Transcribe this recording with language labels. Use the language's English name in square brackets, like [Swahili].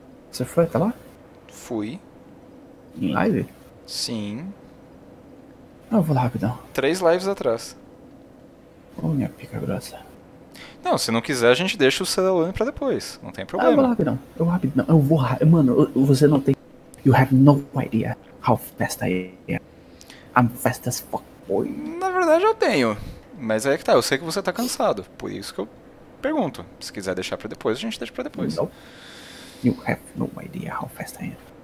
[Portuguese] Você foi até lá? Fui. Em live? Sim. Não, eu vou lá rapidão. 3 lives atrás. Ô, minha pica grossa. Não, se não quiser, a gente deixa o Cedalone pra depois. Não tem Ah, eu vou problema. lá rapidão. Eu vou rapidão. Eu vou rápido. Mano, você não tem. [English] You have no idea how fast I am. I'm fast as fuck, boy. [Portuguese] Na verdade, eu tenho. Mas aí é que tá, eu sei que você tá cansado. Por isso que eu pergunto. Se quiser deixar pra depois, a gente deixa pra depois. [English] Nope. You have no idea how fast I am.